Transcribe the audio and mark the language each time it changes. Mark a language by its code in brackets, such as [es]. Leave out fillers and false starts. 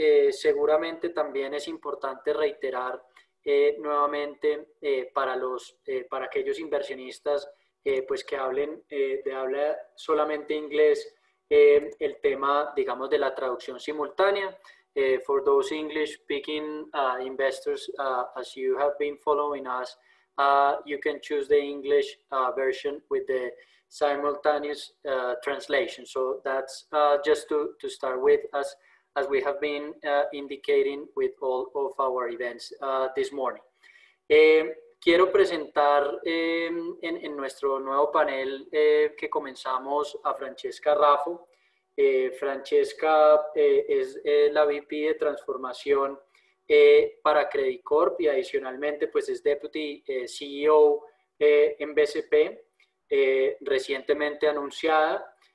[es] Seguramente también es importante reiterar nuevamente para aquellos inversionistas pues que hablen de habla solamente inglés el tema, digamos, de la traducción simultánea. [en] For those English speaking investors, as you have been following us, you can choose the English version with the simultaneous translation. So that's just to start with us. As we have been indicating with all of our events this morning. [es] Quiero presentar en nuestro nuevo panel que comenzamos a Francesca Raffo. Francesca es la VP de transformación para Credicorp y adicionalmente pues es Deputy CEO en BCP, recientemente anunciada.